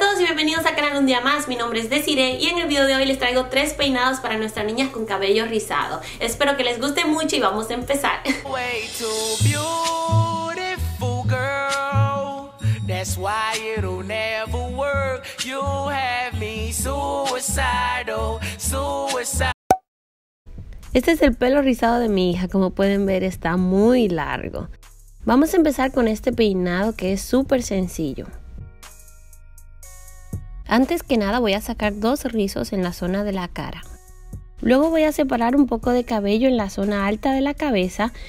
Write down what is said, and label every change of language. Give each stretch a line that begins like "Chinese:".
Spanish: Bienvenidos al canal un día más, mi nombre es Desiree y en el video de hoy les traigo tres peinados para nuestras niñas con cabello rizado. Espero que les guste mucho y vamos a empezar.
English: Way too beautiful girl, that's why it'll never work, you have me suicidal, suicidal.
Spanish: Este es el pelo rizado de mi hija, como pueden ver está muy largo. Vamos a empezar con este peinado que es súper sencillo. Antes que nada voy a sacar dos rizos en la zona de la cara. Luego voy a separar un poco de cabello en la zona alta de la cabeza.